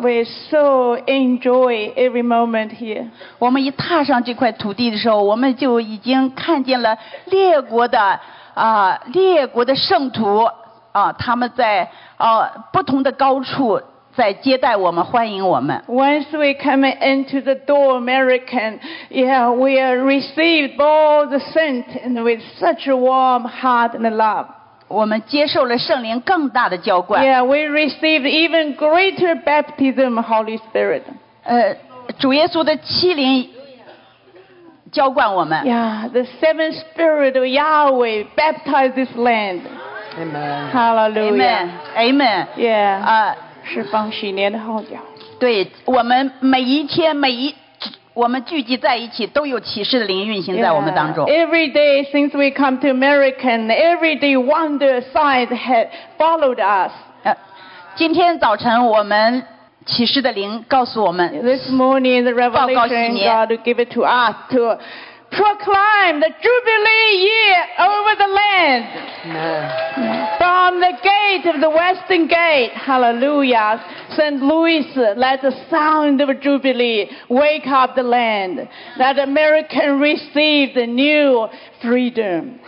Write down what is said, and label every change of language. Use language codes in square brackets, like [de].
[en] We so enjoy every moment here. [zh] 我们一踏上这块土地的时候，我们就已经看见了列国的列国的圣徒他们在不同的高处在接待我们，欢迎我们。 [en] Once we come into the door, American, yeah, we are received all the saints and with such a warm heart and love. [zh] 我们接受了圣灵更大的浇灌。 [en] Yeah, we received even greater baptism, Holy Spirit. [zh] 主耶稣的七灵浇灌我们。 [en] Yeah, the seven spirit of Yahweh baptized this land. Amen. Hallelujah. Amen. Amen. [zh] Yeah. 释放喜年的号角。对，我们每一天每一。我们聚集在一起都有启示的灵运行在我们当中 [en] yeah, every day since we come to America every day wonder signs had followed us 今天早晨我们启示的灵告诉我们 this morning the revelation God gave it to us to proclaim the jubilee year over the land from the gate of the western gate hallelujahSt. Louis, let the sound of Jubilee wake up the land, that America receive the new freedom.